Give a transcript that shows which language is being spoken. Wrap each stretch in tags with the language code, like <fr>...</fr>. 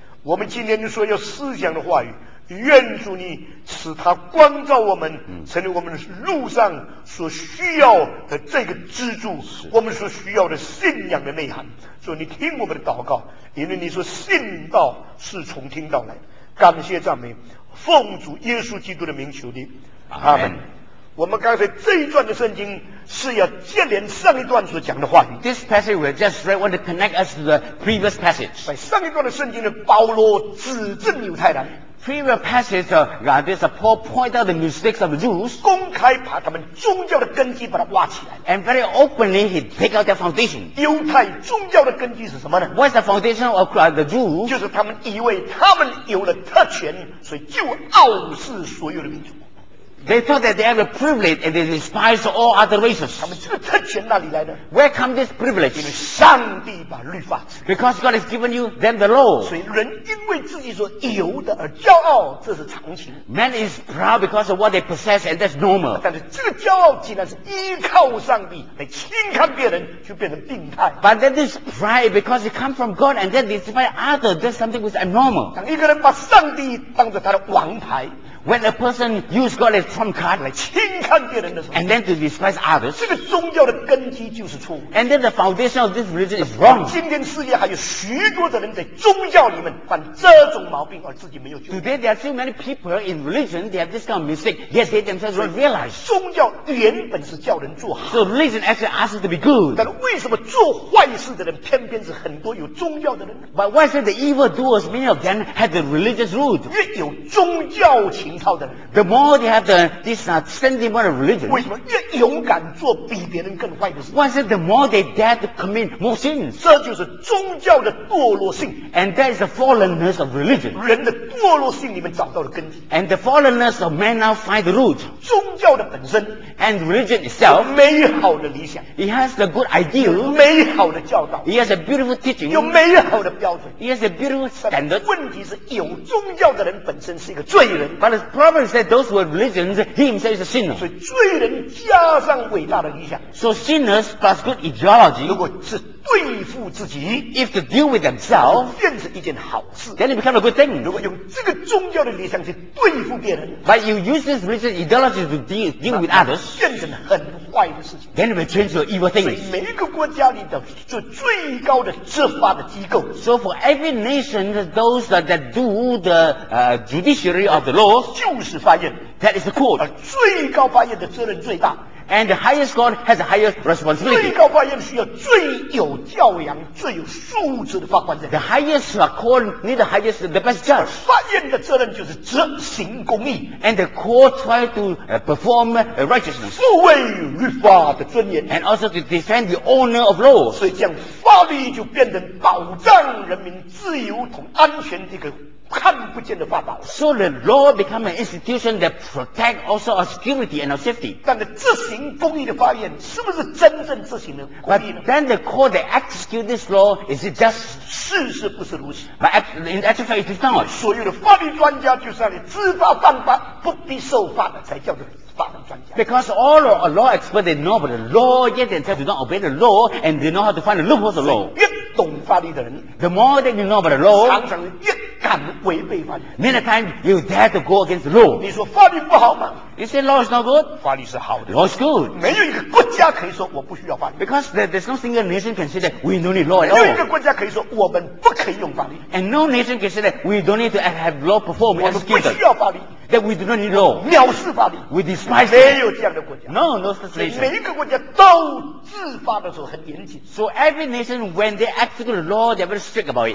<zh>我们今天说要思想的话语，愿主你使他光照我们，成为我们路上所需要的这个支柱，我们所需要的信仰的内涵。所以你听我们的祷告，因为你说信道是从听道来。感谢赞美，奉主耶稣基督的名求你，阿门。我们刚才这一段的圣经是要接连上一段所讲的话。</zh> <en>This passage we just read want to connect us to the previous passage。</en> <zh>在上一段的圣经的保罗指证犹太人。</zh> <en>Previous passage, this Paul pointed out the mistakes of the Jews.</en> <zh>公开把他们宗教的根基把它挖起来。</zh> <en>And very openly he take out their foundation.</en> <zh>犹太宗教的根基是什么呢？</zh> <en>What's the foundation of the Jews?</en> <zh>就是他们以为他们有了特权，所以就傲视所有的民族。</zh> <en>They thought that they have a privilege and they despise all other races.</en> <zh>他们这个特权哪里来的？</zh> <en>Where come this privilege?</en> <zh>因为上帝把律法赐。</zh> <en>Because God has given you them the law.</en> <zh>所以人因为自己所有的而骄傲，这是常情。</zh> <en>Man is proud because of what they possess and that's normal.</en> <zh>但是这个骄傲既然是依靠上帝来轻看别人，就变成病态。</zh> <en>But then this pride because it comes from God and then despise other, that's something which is abnormal.</en> <zh>当一个人把上帝当作他的王牌。</zh> <en>When a person use God as trump card,</en> <zh>来轻看别人的时候，</zh> <en>and then to despise others,</en> <zh>这个宗教的根基就是错误。</zh> <en>And then the foundation of this religion is wrong.</en> <zh>今天世界还有许多的人在宗教里面犯这种毛病，而自己没有救。</zh> <en>Today there are so many people in religion they have this kind of mistake, yet they themselves don't realize.</en> <zh>宗教原本是叫人做好。</zh> <en>So religion actually asks us to be good.</en> <zh>但为什么做坏事的人偏偏是很多有宗教的人？</zh> <en>But why should the evil doers many of them have the religious root?</en> <zh>越有宗教情。</zh> <en>The more they have this sentiment of religion,</en> <zh>为什么越勇敢做比别人更坏的事？</zh> <en>Why is it the more they dare to commit more sins?</en> <zh>这就是宗教的堕落性。</zh> <en>And that is the fallenness of religion.</en> <zh>人的堕落性里面找到了根基。</zh> <en>And the fallenness of man now find the root.</en> <zh>宗教的本身。</zh> <en>And religion itself.</en> <zh>有美好的理想。</zh> <en>It has the good ideal.</en> <zh>有美好的教导。</zh> <en>It has a beautiful teaching.</en> <zh>有美好的标准。</zh> <en>It has a beautiful standard.</en> <zh>问题是有宗教的人本身是一个罪人。</zh> <en>The problem is that those who have religions, he himself is a sinner.</en> <zh>所以罪人加上伟大的理想。</zh> <en>So sinners plus good ideology.</en> <zh>如果是对付自己，</zh> <en>if to deal with themselves,</en> <zh>变成一件好事。</zh> <en>Then it becomes a good thing.</en> <zh>如果用这个宗教的理想去对付别人，</zh> <en>but you use this religious ideology to deal with others,</en> <zh>变成很坏的事情。</zh> <en>Then it will change to evil things.</en> <zh>所以每一个国家里的就最高的执法的机构。</zh> <en>So for every nation, those that do the judiciary of the law.</en> <zh>就是法院</zh> <en>That is the court.</en> <zh>最高法院的责任最大。</zh> <en>And the highest court has the highest responsibility.</en> <zh>最高法院需要最有教养、最有素质的法官在。</zh> <en>The highest court need the highest, the best judge.</en> <zh>法院的责任就是执行公义。</zh> <en>And the court try to perform righteousness.</en> <zh>护卫律法的尊严。</zh> <en>And also to defend the honor of law.</en> <zh>所以这样法律就变成保障人民自由同安全的一个看不见的法宝。</zh> <en>So the law become an institution that protect also our security and our safety.</en> <zh>但是执行公义的法院是不是真正执行的公义呢？</zh> <en>But then the court that execute this law, is it just</en> <zh>事实不是如此。</zh> <en>But in actual fact, it is not.</en> <zh>所有的法律专家就是让你知法犯法，不必受罚的才叫做。</zh> <en>Because all our law experts, they know about the law, yet themselves do not obey the law, and they know how to find the loophole of the law.</en> <zh>越懂法律的人</zh> <en>the more that you know about the law,</en> <zh>常常越敢违背法律</zh> <en>many times you dare to go against the law.</en> <zh>你说法律不好吗？</zh> <en>You say law is not good?</en> <zh>法律是好的。</zh> <en>Law is good.</en> <zh>没有一个国家可以说我不需要法律。</zh> <en>Because there's no single nation can say that we don't need law at all.</en> <zh>没有一个国家可以说我们不可以用法律。</zh> <en>And no nation can say that we don't need to have law performed and executed.</en> <zh>我们不需要法律。</zh> <en>That we do not need law.</en> <zh>藐视法律。</zh> <en>We despise law.</en> <zh>没有这样的国家。</zh> <en>No, no such nation.</en> <zh>每一个国家都自发的时候很严谨。</zh> <en>So every nation, when they execute the law, they're very strict about it.</en>